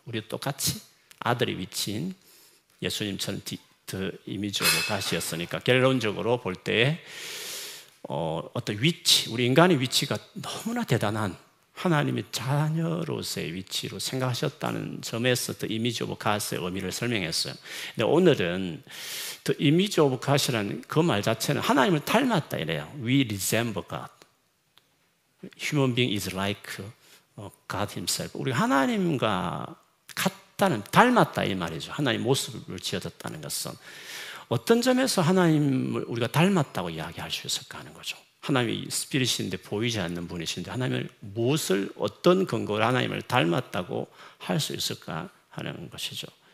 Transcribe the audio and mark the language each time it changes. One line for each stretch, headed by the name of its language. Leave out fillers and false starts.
Korean: 우리 똑같이 아들의 위치인 예수님처럼
English: The Image of God
Korean: 이었으니까 결론적으로 볼 때 어떤 위치, 우리 인간의 위치가 너무나 대단한 하나님의 자녀로서의 위치로 생각하셨다는 점에서 The Image of God의 의미를 설명했어요. 근데 오늘은
English: The Image of God
Korean: 이라는 그 말 자체는 하나님을 닮았다 이래요.
English: We resemble God. Human being is like God himself.
Korean: 우리 하나님과 같다는, 닮았다 이 말이죠. 하나님 모습을 지어졌다는 것은. 어떤 점에서 하나님을 우리가 닮았다고 이야기할 수 있을까 하는 거죠. 하나님이 스피릿인데 보이지 않는 분이신데 하나님을 무엇을, 어떤 근거로 하나님을 닮았다고 할 수 있을까 하는 것이죠.